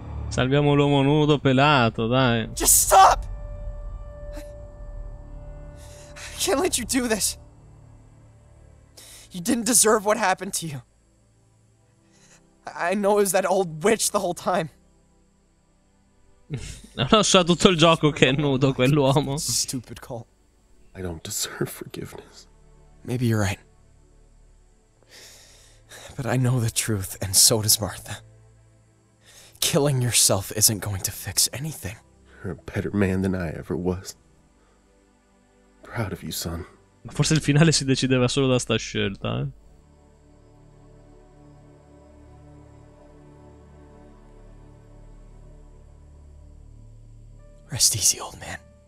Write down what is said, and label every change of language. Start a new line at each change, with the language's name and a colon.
Italian: Salviamo l'uomo nudo pelato, dai.
English: Just stop! I can't let you do this. You didn't deserve what happened to you. I know it was that old witch the whole time.
Italian: Ha lasciato tutto il gioco che è nudo quell'uomo.
English: Stupid call. I don't deserve forgiveness. Maybe you're right. But I know the truth, and so does Martha. Killing yourself isn't going to fix anything. You're a better man than I ever was. I'm proud of you, son.
Italian: Ma forse il finale si decideva solo da sta scelta, eh?
English: Rest easy, old man.